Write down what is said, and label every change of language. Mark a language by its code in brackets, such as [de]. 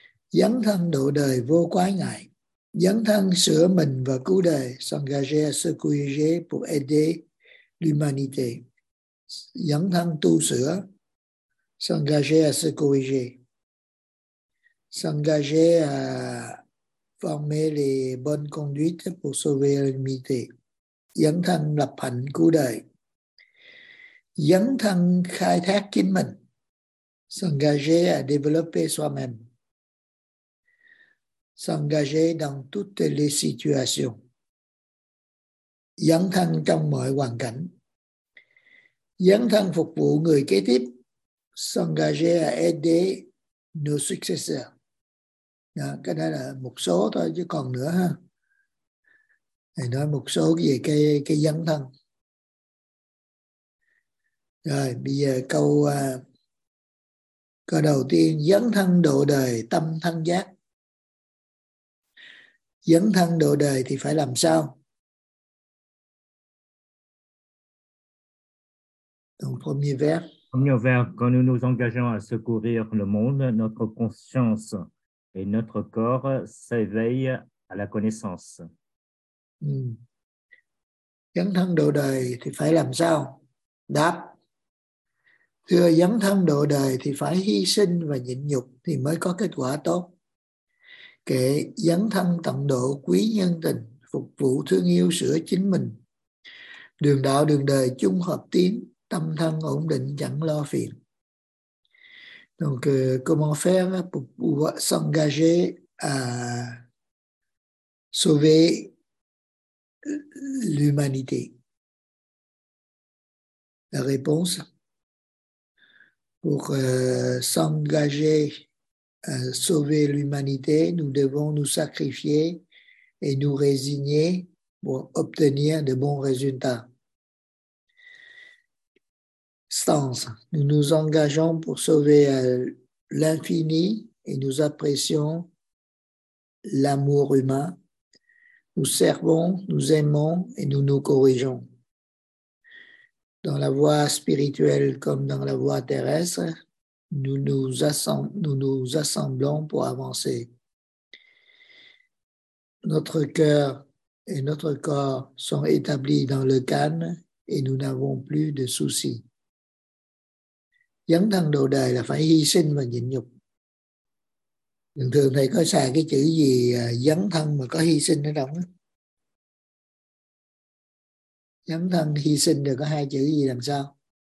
[vi] Dấn thân độ đời vô quái ngại, dấn thân sửa mình và cứu đời, [fr] s'engager à se corriger pour aider l'humanité. [vi] Dấn thân tu sửa, [fr] s'engager à se corriger, s'engager à former les bonnes conduites pour sauver l'humanité. [vi] Dấn thân lập hạnh cứu đời, dấn thân khai thác chính mình, [fr] s'engager à développer soi-même. S'engager dans toutes les situations. [vi] Dấn thân trong mọi hoàn cảnh. Dấn thân phục vụ người kế tiếp. [fr] S'engager à aider nos successeurs. [vi] Đó, cái đó là một số thôi chứ còn nữa ha. Thầy nói một số về cái dấn thân. Rồi, bây giờ câu đầu tiên. Dấn thân độ đời tâm thân giác. Dấn thân độ đời thì phải làm sao? [fr] Donc, premier vers. Premier vers, quand nous nous engageons à secourir le monde, notre conscience et notre corps s'éveillent à la connaissance. [vi] Dấn thân độ đời thì phải làm sao? Đáp. Thưa, dấn thân độ đời thì phải hy sinh và nhịn nhục thì mới có kết quả tốt. Kệ, dấn thân tận độ quý nhân tình, phục vụ thương yêu sửa chính mình. Đường đạo đường đời chung hợp tiến, tâm thân ổn định chẳng lo phiền. [fr] Donc, comment faire pour s'engager à sauver l'humanité? la réponse pour s'engager à sauver l'humanité, nous devons nous sacrifier et nous résigner pour obtenir de bons résultats. Sens, nous nous engageons pour sauver l'infini et nous apprécions l'amour humain. Nous servons, nous aimons et nous nous corrigeons. Dans la voie spirituelle comme dans la voie terrestre, nous nous assemblons pour avancer. Notre cœur et notre corps sont établis dans le khan et nous n'avons plus de soucis. [vi] Dấn thân đồ đời là phải hy sinh và nhịn nhục. Thường thường thầy có xài cái chữ gì dấn thân mà có hy sinh ở trong đó. Dấn thân hy sinh được có hai chữ gì đằng sau?